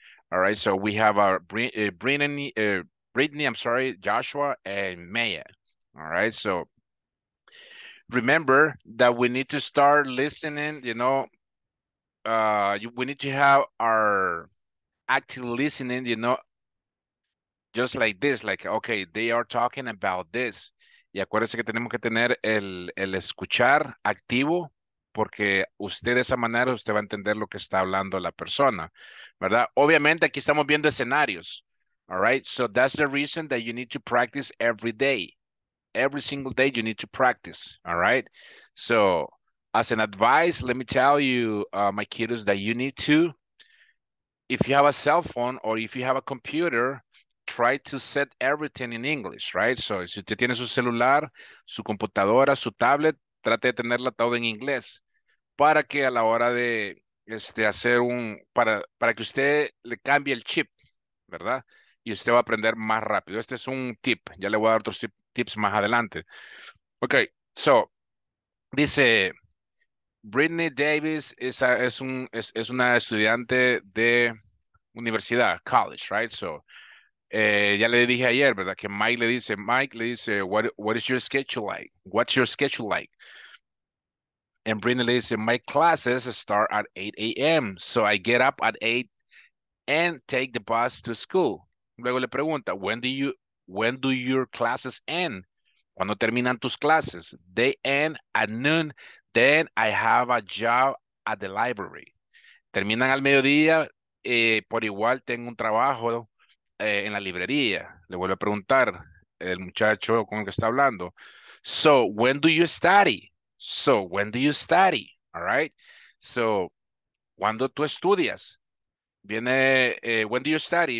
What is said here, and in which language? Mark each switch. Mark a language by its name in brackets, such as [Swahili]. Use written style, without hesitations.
[English] All right, so we have Brittany, Joshua, and Maya, all right? So remember that we need to start listening, you know, we need to have our active listening, you know, just like this, like, okay, they are talking about this. [Spanish] Y acuérdense que tenemos que tener el escuchar activo, porque usted de esa manera, usted va a entender lo que está hablando la persona, ¿verdad? Obviamente, aquí estamos viendo escenarios, [English] all right? So that's the reason that you need to practice every day. Every single day, you need to practice, all right? So as an advice, let me tell you, my kiddos, that you need to, if you have a cell phone or if you have a computer, try to set everything in English, right? [Spanish] So si usted tiene su celular, su computadora, su tablet, trate de tenerla todo en inglés para que a la hora de hacer un, para que usted le cambie el chip, ¿verdad? Y usted va a aprender más rápido. Este es un tip. Ya le voy a dar otros tips más adelante. Okay, so, dice, Brittany Davis es una estudiante de universidad, college, right? So, ya le dije ayer, ¿verdad? Que Mike le dice, [English] what is your schedule like? What's your schedule like? And Brittany says, my classes start at 8 a.m. So I get up at 8 and take the bus to school. [Spanish] Luego le pregunta, [English] when do your classes end? [Spanish] ¿Cuándo terminan tus clases? [English] They end at noon. Then I have a job at the library. [Spanish] Terminan al mediodía. Por igual tengo un trabajo en la librería. Le vuelve a preguntar el muchacho con el que está hablando. [English] So when do you study? So, when do you study? All right. [Spanish] So, ¿cuándo tú estudias? Viene, [English] when do you study?